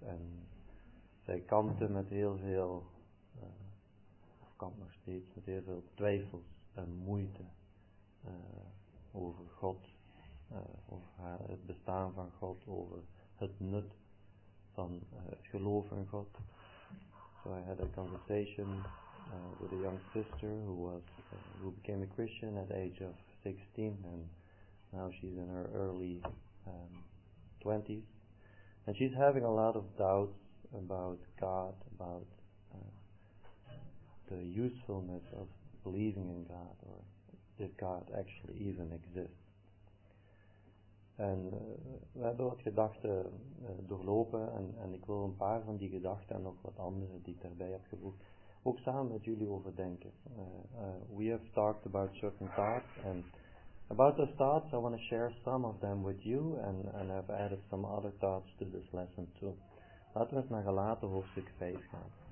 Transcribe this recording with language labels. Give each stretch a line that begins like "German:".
Dutch: En zij kampte met heel veel, of kampt nog steeds, met heel veel twijfels en moeite over God, over het bestaan van God, over het nut van het geloof in God.
English: So I had a conversation with a young sister who became a Christian at age of 16, and now she's in her early 20s, and she's having a lot of doubts about God, about the usefulness of believing in God, or if God actually even exists.
Dutch: En we hebben wat gedachten doorlopen en ik wil een paar van die gedachten en nog wat andere die ik daarbij heb gevoegd ook samen met jullie overdenken.
English: We have talked about certain thoughts, and about those thoughts I want to share some of them with you, and I've added some other thoughts to this lesson too.
Dutch: Laten we eens naar Galaten hoofdstuk 5 gaan.